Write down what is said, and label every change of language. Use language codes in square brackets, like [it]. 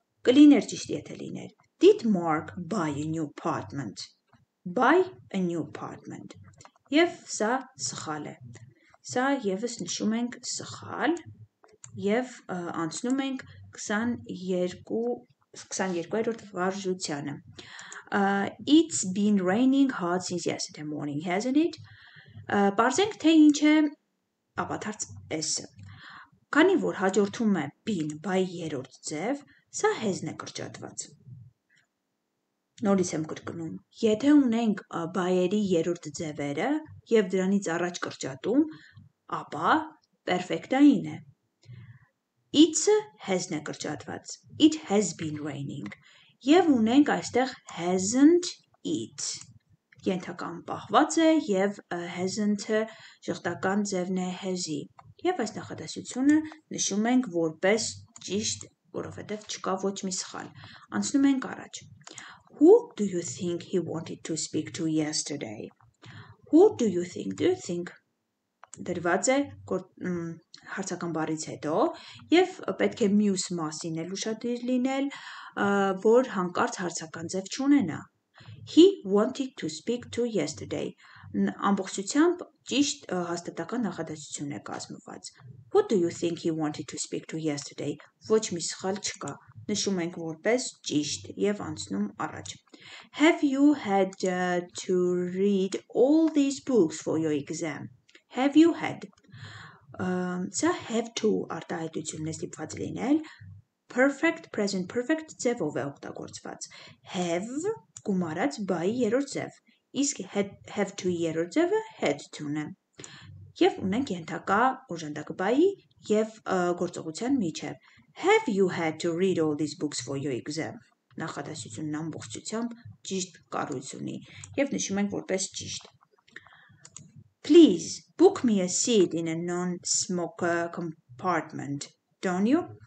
[hy] կլիներ ճիշտ, եթե լիներ [en] did Mark buy a new apartment, [hy] buy a new apartment, եվ սա սխալ է, սա եւս նշում ենք սխալ, եւ անցնում ենք 22-րդ վարժությանը. [en] It's been raining hard since yesterday morning, hasn't it? [hy] Պարզենք թե ինչ է ապաթարց s-ը, քանի որ հաջորդում է been by երրորդ ձև, սա has-ն է կրճատված. Նորից եմ կրկնում, եթե ունենք բայերի երրորդ ձևերը եւ դրանից առաջ կրճատում, ապա պերֆեկտային է. [en] It's-ը has-ն [hy] է կրճատված. [en] It has been raining. [hy] Եվ ունենք այստեղ [en] hasn't it. [hy] Ենթական պահված է եւ hasn't-ը շղթական ձևն է has-ի. Եվ այս նախադասությունը նշում ենք որպես ճիշտ, որովհետեւ չկա ոչ մի սխալ. Անցնում ենք առաջ. [en] Who do you think he wanted to speak to yesterday? Who do you think? Do you think? [hy] Դրված է հարցական բառից հետո, եւ պետք է մյուս մասին էլ ուշադիր լինել, որ հանկարծ հարցական ձև չունենա. [en] He wanted to speak to yesterday. [hy] Ամբողջությամբ ճիշտ հաստատական նախադասություն է կազմված. [en] Who do you think he wanted to speak to yesterday? [hy] Ոչ մի սխալ չկա, նշում ենք որպես ճիշտ, եւ անցնում առաջ. [en] Have you had to read all these books for your exam? Have you had? [hy] Սա have to արտահայտությունն է ստիպված լինել, perfect, present perfect ձևով է օգտագործված. Have գումարած by-ի երրորդ ձև, իսկ have to-ի երրորդ ձևը had to-ն է։ Եվ ունենք ենթակա օժանդակը by-ի և գործողության միջև. [en] Have you had to read all these books for your exam? [hy] Նախադասությունն ամբողջությամբ ճիշտ կառույցունի և նշում ենք որպես ճիշտ. [en] Please book me a seat in a non-smoker compartment, don't you?